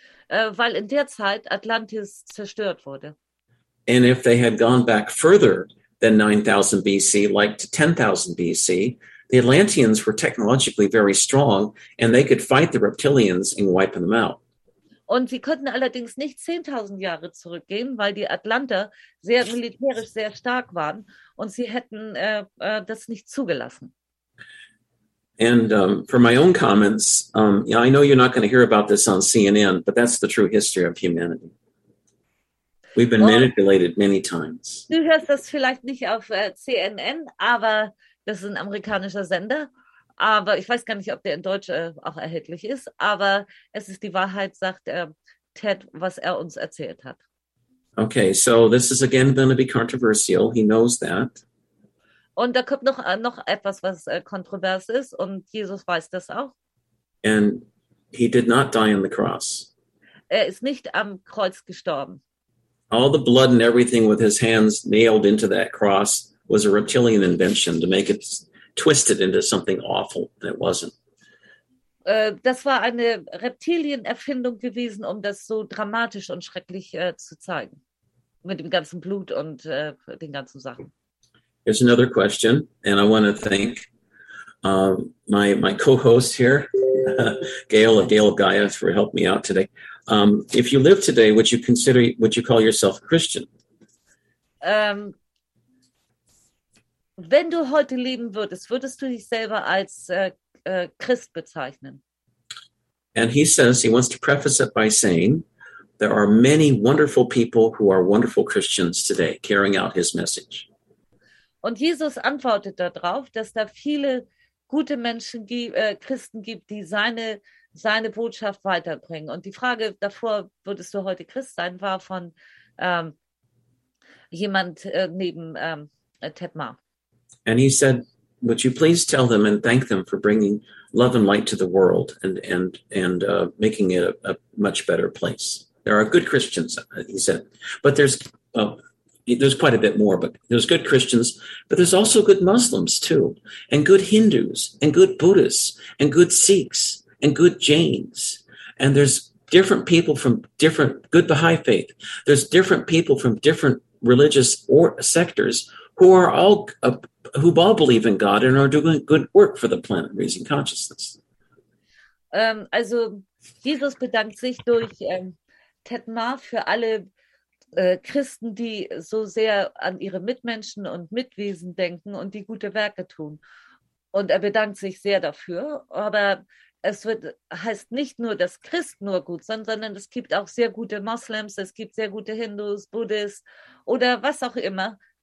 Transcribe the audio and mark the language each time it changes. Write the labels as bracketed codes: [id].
[de] Weil in der Zeit Atlantis zerstört wurde. [en] And if they had gone back further than 9,000 BC, like to 10,000 BC, the Atlanteans were technologically very strong, and they could fight the Reptilians and wipe them out. [de] Und sie konnten allerdings nicht 10.000 Jahre zurückgehen, weil die Atlanter sehr militärisch sehr stark waren, und sie hätten das nicht zugelassen. [en] And for my own comments, yeah, I know you're not going to hear about this on CNN, but that's the true history of humanity. We've been manipulated many times. [de] Du hörst das vielleicht nicht auf CNN, aber das ist ein amerikanischer Sender. Aber ich weiß gar nicht, ob der in Deutsch auch erhältlich ist. Aber es ist die Wahrheit, sagt Ted, was er uns erzählt hat. [en] Okay, so this is again going to be controversial. He knows that. [de] Und da kommt noch etwas, was kontrovers ist, und Jesus weiß das auch. [en] And he did not die on the cross. [de] Er ist nicht am Kreuz gestorben. [en] All the blood and everything with his hands nailed into that cross was a reptilian invention to make it twisted into something awful that it wasn't. [de] Das war eine Reptilienerfindung gewesen, um das so dramatisch und schrecklich zu zeigen. Mit dem ganzen Blut und den ganzen Sachen. [en] Here's another question, and I want to thank my co-host here, Gail of Gaia, for helping me out today. If you live today, would you call yourself a Christian? [de] Wenn du heute leben würdest, würdest du dich selber als Christ bezeichnen? [en] And he says, he wants to preface it by saying, there are many wonderful people who are wonderful Christians today, carrying out his message. [de] Und Jesus antwortet darauf, dass da viele gute Menschen, Christen gibt, die seine Botschaft weiterbringen. Und die Frage davor, würdest du heute Christ sein, war von jemand neben Tedmar. [en] And he said, would you please tell them and thank them for bringing love and light to the world and making it a much better place. There are good Christians, he said, but there's quite a bit more, but there's good Christians, but there's also good Muslims too, and good Hindus, and good Buddhists, and good Sikhs, and good Jains. And there's different people from different, good Baha'i faith. There's different people from different religious or sectors who all believe in God and are doing good work for the planet, raising consciousness. [de] Also, Jesus bedankt sich durch Ted Ma für alle Christen, die so sehr an ihre Mitmenschen und Mitwesen denken und die gute Werke tun. Und er bedankt sich sehr dafür. Aber es wird, heißt nicht nur, dass Christ nur gut sind, sondern es gibt auch sehr gute Moslems, es gibt sehr gute Hindus, Buddhisten oder was auch immer.